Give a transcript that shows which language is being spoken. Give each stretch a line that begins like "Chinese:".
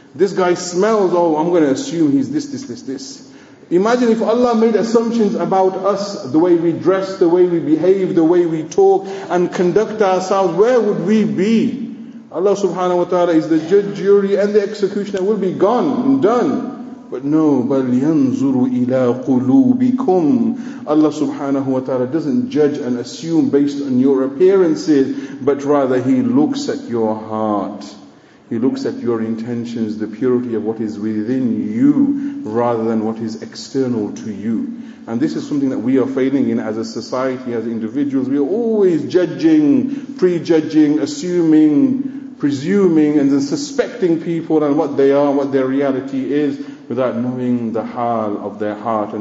English: This guy smells, oh, I'm going to assume he's this. Imagine if Allah made assumptions about us, the way we dress, the way we behave, the way we talk and conduct ourselves, where would we be? Allah subhanahu wa ta'ala is the judge, jury and the executioner, will be gone and done. But no,
Arabic: بَلْ يَنْزُرُ إِلَىٰ قُلُوبِكُمْ.
English: Allah subhanahu wa ta'ala doesn't judge and assume based on your appearances, but rather He looks at your heart. He looks at your intentions, the purity of what is within you, rather than what is external to you. And this is something that we are failing in as a society, as individuals. We are always judging, prejudging, assuming, presuming, and then suspecting people and what they are, what their reality is, without knowing the hal of their heart.